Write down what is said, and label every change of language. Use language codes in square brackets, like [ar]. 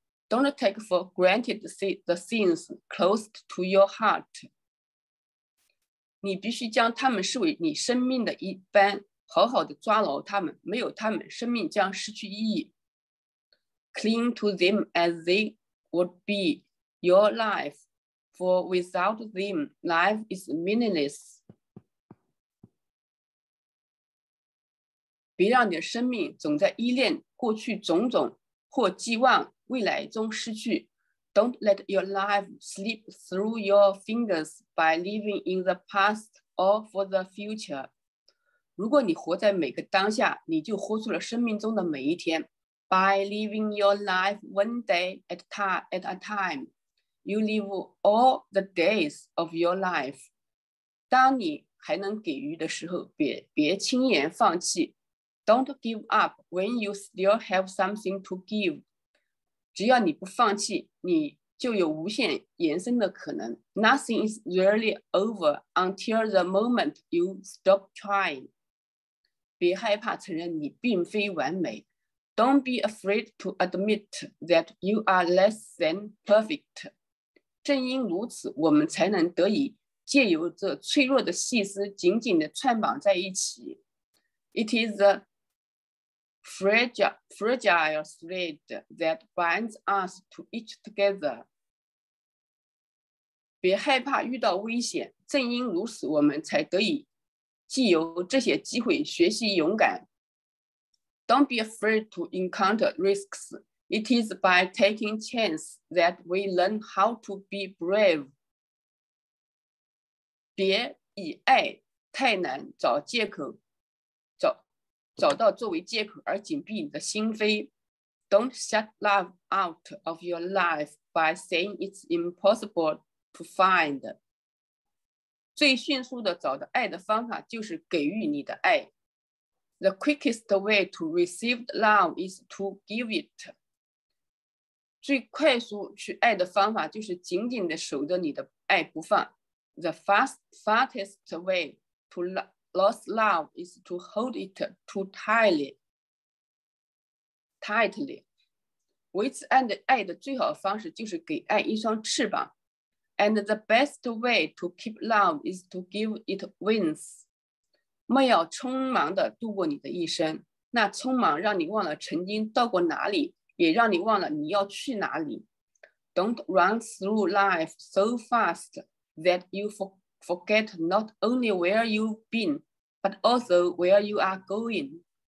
[en] Don't take for granted the things closest to your heart. [zh] 你必须将他们视为你生命的一般，好好的抓牢他们，没有他们生命将失去意义。 [en] Cling to them as they would be your life, for without them life is meaningless. [zh] 别让你的生命总在依恋过去种种，或寄望未来中失去。 [en] Don't let your life slip through your fingers by living in the past or for the future. [zh] 如果你活在每个当下，你就活出了生命中的每一天。 [en] By living your life one day at a time, you live all the days of your life. [zh] 当你还能给予的时候，别轻言放弃。 [en] Don't give up when you still have something to give. [zh] 只要你不放弃，你就有无限延伸的可能。 [en] Nothing is really over until the moment you stop trying. [zh] 别害怕承认你并非完美。 [en] Don't be afraid to admit that you are less than perfect. [zh] 正因如此，我们才能得以借由这脆弱的细丝紧紧地串绑在一起。 [en] It is aFragile thread that binds us to each together. [zh] 别害怕遇到危险，正因如此，我们才得以藉由这些机会学习勇敢。 [en] Don't be afraid to encounter risks. It is by taking chance that we learn how to be brave. [zh] 别以爱太难找借口，找到作为借口而紧闭你的心扉。 [en] Don't shut love out of your life by saying it's impossible to find. [zh] 最迅速的找到爱的方法就是给予你的爱。 [en] The quickest way to receive love is to give it. [zh] 最快速去爱的方法就是紧紧地守着你的爱不放。 [en] The fastest way to lose love is to hold it too tightly. Tightly. [zh] 维持爱的最好的方式就是给爱一双翅膀。 [en] And the best way to keep love is to give it wings. [zh] 莫要匆忙地度过你的一生，那匆忙让你忘了曾经到过哪里，也让你忘了你要去哪里。 [en] Don't run through life so fast that you forget not only where you've been, but also where you are going.